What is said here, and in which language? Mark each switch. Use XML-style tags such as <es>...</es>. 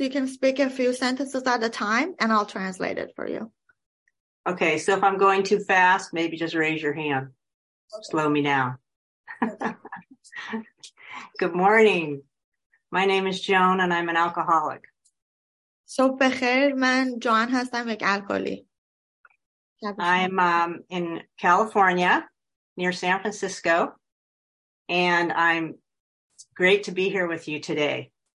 <en>You can speak a few sentences at a time and I'll translate it for you. Okay, so if I'm going too fast, maybe just raise your hand. Okay. Slow me down. Good morning. My name is Joan and I'm an alcoholic.</en> <fa>So بخیر، من جوان هستم، یک الکلی.</fa> <en>I'm in California near San Francisco and I'm great to be here with you today.</en>